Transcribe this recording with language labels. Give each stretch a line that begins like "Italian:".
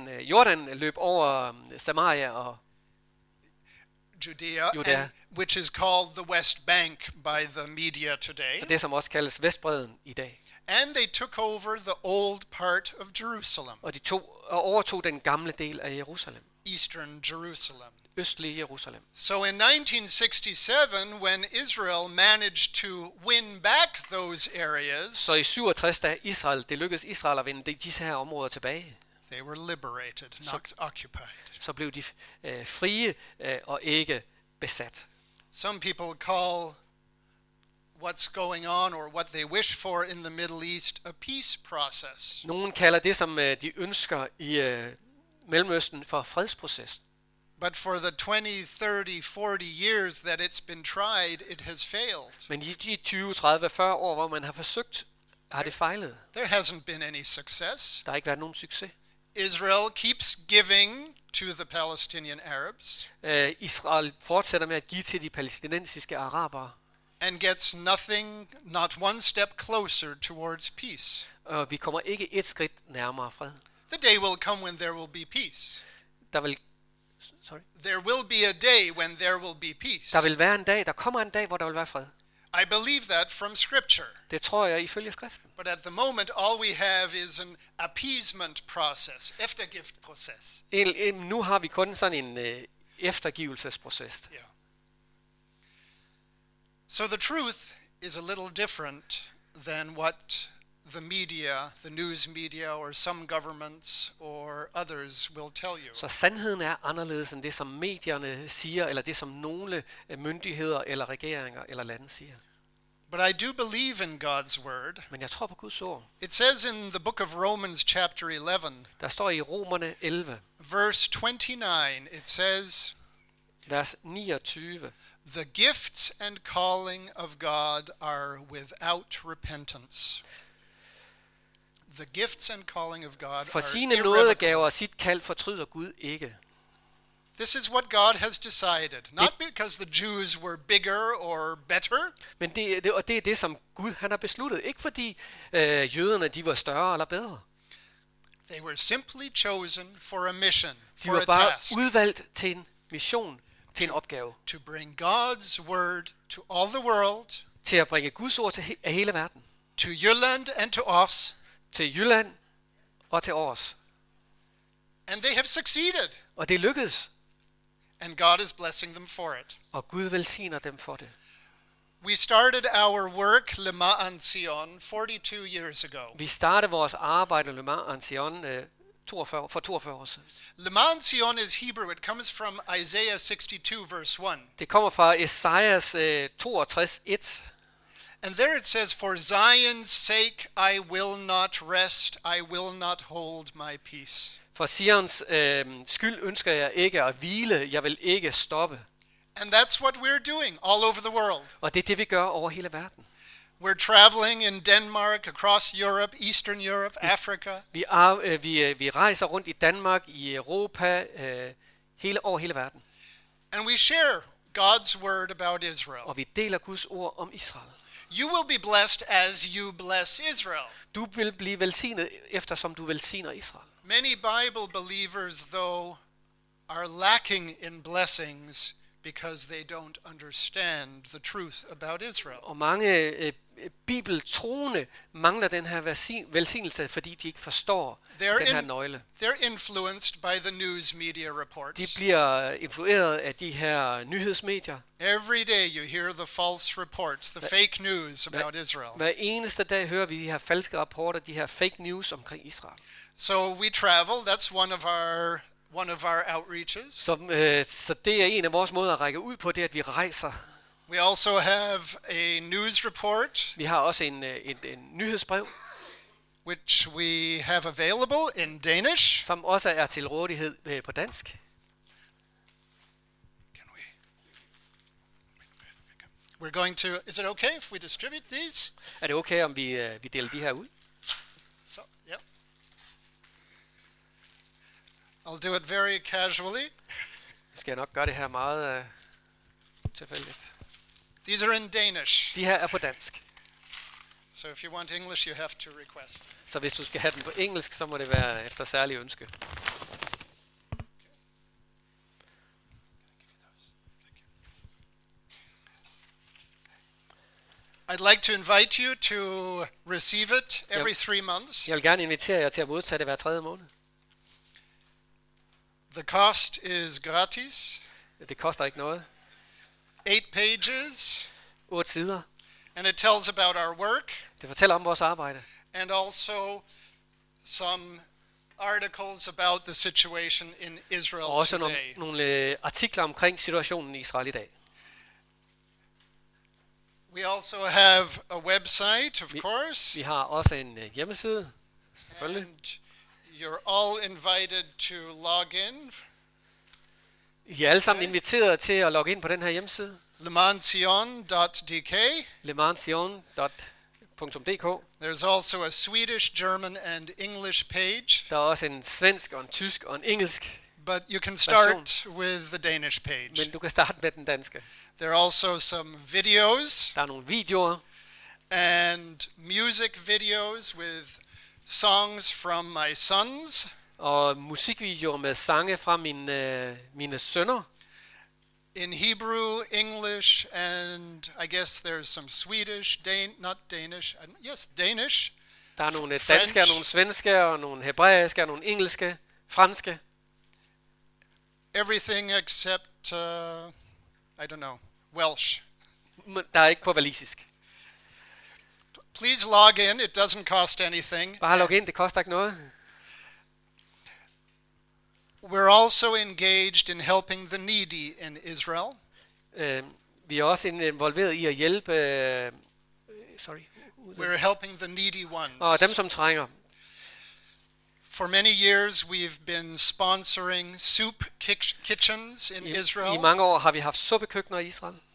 Danish: Jordan løb over Samaria og
English: Judea, and which is called the West Bank by the media today.
Danish: Det som også kaldes Vestbredden i dag.
English: And they took over the old part of Jerusalem.
Danish: Og de tog og overtog den gamle del af Jerusalem.
English: Eastern Jerusalem.
Danish: Østlige Jerusalem.
English: So in 1967, when Israel managed to win back those areas.
Danish: Så i 67 da Israel, det lykkedes Israel at vinde disse her områder tilbage.
English: They were liberated, not occupied.
Danish: Så blev de frie og ikke besat.
English: Some people call what's going on or what they wish for in the Middle East a peace process.
Danish: Nogen kalder det som de ønsker i Mellemøsten for fredsprocessen.
English: But for the 20, 30, 40 years that it's been tried, it has failed.
Danish: Men i de 20, 30, 40 år hvor man har forsøgt, har det fejlet.
English: There hasn't been any success.
Danish: Der har ikke været nogen succes.
English: Israel keeps giving to the Palestinian Arabs.
Danish: Israel fortsætter med at give til de palæstinensiske arabere.
English: and gets nothing, not one step closer towards peace.
Danish: Og vi kommer ikke et skridt nærmere fred.
English: The day will come when there will be peace. There will be a day when there will be peace.
Danish: Der vil være en dag, der kommer en dag, hvor der vil være fred.
English: I believe that from scripture.
Danish: Det tror jeg ifølge skriften.
English: But at the moment all we have is an appeasement process,
Danish: eftergift
English: process.
Danish: Nu har vi kun sådan en eftergivelsesproces.
English: Yeah. So the truth is a little different than what the media, the news media or some governments or others will tell you.
Danish: Så sandheden er anderledes end det som medierne siger eller det som nogle myndigheder eller regeringer eller lande siger.
English: But I do believe in God's word.
Danish: Men jeg tror på Guds ord.
English: It says in the book of Romans chapter 11.
Danish: Der står i Romerne 11.
English: Verse 29 it says.
Danish: Vers 29.
English: The gifts and calling of God are without repentance. The gifts and calling of God
Danish: for sine nådegaver og sit kald fortryder Gud ikke.
English: This is what God has decided, not because the Jews were bigger or better.
Danish: Men det er det som Gud han har besluttet, ikke fordi jøderne de var større eller bedre.
English: They were simply chosen for a mission, for a task.
Danish: De var bare udvalgt til en mission, til en opgave.
English: To bring God's word to all the world.
Danish: Til at bringe Guds ord til hele verden.
English: To Jylland and to Aarhus.
Danish: Til Jylland og til Aarhus.
English: And they have succeeded.
Danish: Og det lykkedes.
English: And God is blessing them for it.
Danish: Og Gud velsigner dem for det.
English: We started our work Lema'an Zion 42 years ago.
Danish: Vi startede vores arbejde Lema'an Zion for 42 år siden.
English: Lema'an Zion is Hebrew. It comes from Isaiah 62 verse 1.
Danish: Det kommer fra Esajas 62:1.
English: And there it says, for Zion's sake, I will not rest, I will not hold my peace.
Danish: For Sions skyld ønsker jeg ikke at hvile, jeg vil ikke stoppe.
English: And that's what we're doing all over the world.
Danish: Og det er det, vi gør over hele verden.
English: We're traveling in Denmark, across Europe, Eastern Europe, Africa.
Danish: Vi rejser rundt i Danmark, i Europa, over hele verden.
English: And we share God's word about Israel.
Danish: Og vi deler Guds ord om Israel.
English: You will be blessed as you bless Israel.
Danish: Du vil blive velsignet efter som du velsigner Israel.
English: Many Bible believers though are lacking in blessings because they don't understand the truth about Israel.
Danish: Og mange bibeltroende mangler den her velsignelse fordi de ikke forstår den her nøgle.
English: They're influenced by the news media reports.
Danish: De bliver influeret af de her nyhedsmedier.
English: Every day you hear the false reports, the fake news about Israel.
Danish: Hver eneste dag hører vi de her falske rapporter, de her fake news omkring Israel.
English: So we travel, that's one of our outreaches.
Danish: Så det er en af vores måder at række ud på, det at vi rejser.
English: We also have a news report.
Danish: Vi har også en nyhedsbrev.
English: Which we have available in Danish.
Danish: Som også er til rådighed på dansk.
English: Can we? We're going to. Is it okay if we distribute these?
Danish: Er det okay om vi deler de her ud?
English: So, yeah. I'll do it very casually.
Danish: Skal jeg nok gøre det her meget tilfældigt.
English: These are in Danish.
Danish: De her er på dansk.
English: So if you want English, you have to request.
Danish: Så hvis du skal have den på engelsk, så må det være efter særlig ønske.
English: I'd like to invite you to receive it every 3 months.
Danish: Jeg vil gerne invitere jer til at modtage det hver tredje måned.
English: The cost is gratis.
Danish: Det koster ikke noget.
English: 8 pages.
Danish: 8 sider.
English: And it tells about our work.
Danish: Det fortæller om vores arbejde.
English: And also some articles about the situation in Israel today.
Danish: Også nogle artikler omkring situationen i Israel i dag.
English: We also have a website, of course.
Danish: Vi har også en hjemmeside. Selvfølgelig.
English: And you're all invited to log in.
Danish: I er alle sammen inviteret til at logge ind på den her hjemmeside.
English: LeMansion.dk.
Danish: LeMansion.dk.
English: There's also a Swedish, German and English page.
Danish: Der er også en svensk og en tysk og en engelsk.
English: But you can start with the Danish page.
Danish: Men du kan starte med den danske.
English: There are also some videos.
Danish: Der er nogle videoer.
English: And music videos with songs from my sons.
Danish: Og musikvideoer med sange fra mine sønner.
English: In Hebrew, English, and I guess there's some Swedish, Danish.
Danish: Der er nogle danske, nogle svenske, og nogle hebraiske, og nogle engelske, franske.
English: Everything except, I don't know, Welsh.
Danish: Der er ikke på walisisk.
English: Please log in, it doesn't cost anything.
Danish: Bare log ind, det koster ikke noget.
English: We're also engaged in helping the needy in Israel.
Danish: Vi er også involveret i at hjælpe
English: We're helping the needy ones.
Danish: Og dem som trænger.
English: For many years we've been sponsoring soup kitchens in Israel.
Danish: I mange år har vi haft suppekøkkener i Israel.